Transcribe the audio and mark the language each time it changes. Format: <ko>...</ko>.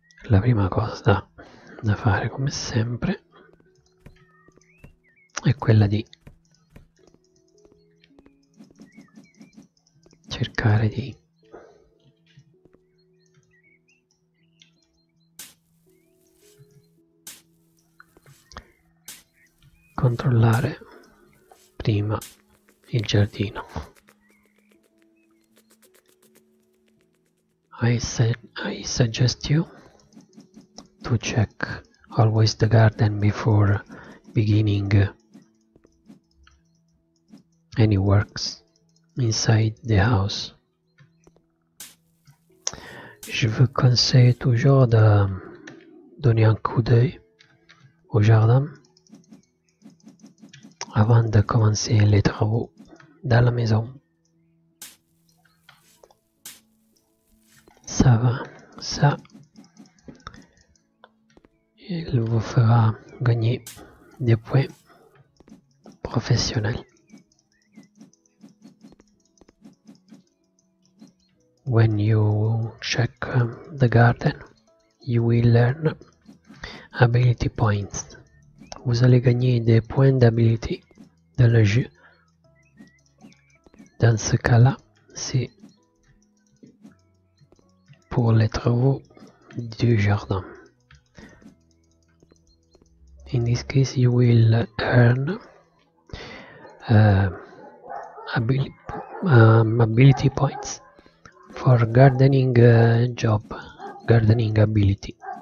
<it>La prima cosa da fare, come sempre, è quella di cercare di controllare prima il giardino.</it> <en>I suggest you to check always the garden before beginning any works inside the house.</en> <fr>Je vous conseille toujours de donner un coup d'œil au jardin avant de commencer les travaux dans la maison. Ça va, ça, il vous fera gagner des points professionnels.</fr> <en>When you check the garden, you will learn ability points.</en> <fr>Vous allez gagner des points d'habilité dans le jeu. Dans ce cas-là, c'est pour les travaux du jardin.</fr> <en>In this case, you will earn ability points for gardening job, gardening ability.</en>